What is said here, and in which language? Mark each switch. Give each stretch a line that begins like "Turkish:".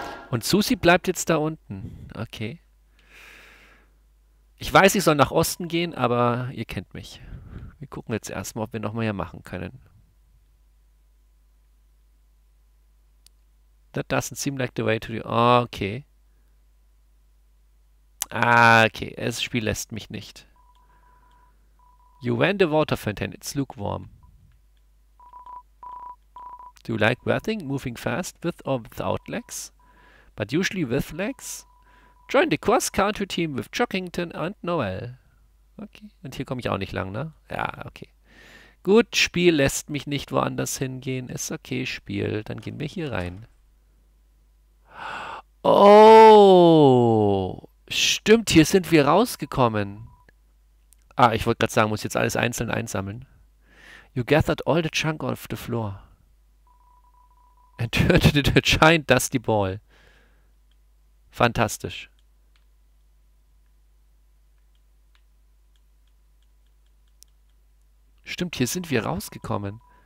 German: Und Susi bleibt jetzt da unten. Okay. Ich weiß, ich soll nach Osten gehen, aber ihr kennt mich. Wir gucken jetzt erstmal, ob wir nochmal hier machen können.
English: That doesn't seem like the way to the. Okay. Ah, okay.
German: Das Spiel lässt mich nicht.
English: You ran the water fountain. It's lukewarm. Do you like bathing? Moving fast with or without legs? But usually with legs. Join the cross-country team with Chuckington and Noel.
German: Okay, und hier komme ich auch nicht lang, ne? Ja, okay. Gut, Spiel lässt mich nicht woanders hingehen. Ist okay, Spiel. Dann gehen wir hier rein. Oh, stimmt, hier sind wir rausgekommen. Ah, ich wollte gerade sagen, muss jetzt alles einzeln einsammeln.
English: You gathered all the junk off the floor. And turned it a giant dusty ball.
German: Fantastisch. Stimmt, hier sind wir rausgekommen.